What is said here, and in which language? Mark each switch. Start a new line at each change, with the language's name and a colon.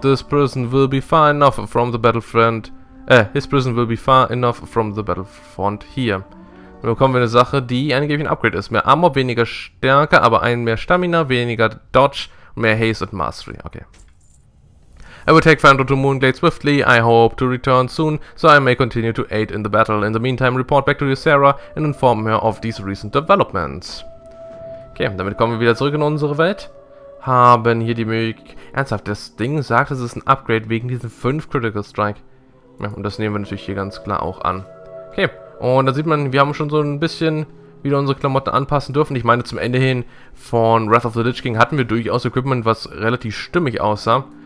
English: This prison will be far enough from the battlefront. His prison will be far enough from the battlefront here.
German: Dann bekommen wir eine Sache, die angeblich ein Upgrade ist. Mehr Armor, weniger Stärke, aber ein mehr Stamina, weniger Dodge, mehr Haste und Mastery.
English: Okay. I will take Fandor to Moonglade swiftly. I hope to return soon, so I may continue to aid in the battle. In the meantime, report back to Ysera and inform her of these recent developments.
German: Okay, damit kommen wir wieder zurück in unsere Welt. Haben hier die Möglichkeit... Ernsthaft, das Ding sagt, es ist ein Upgrade wegen diesen 5 Critical Strike. Ja, und das nehmen wir natürlich hier ganz klar auch an. Okay, und da sieht man, wir haben schon so ein bisschen wieder unsere Klamotten anpassen dürfen. Ich meine, zum Ende hin von Wrath of the Lich King hatten wir durchaus Equipment, was relativ stimmig aussah.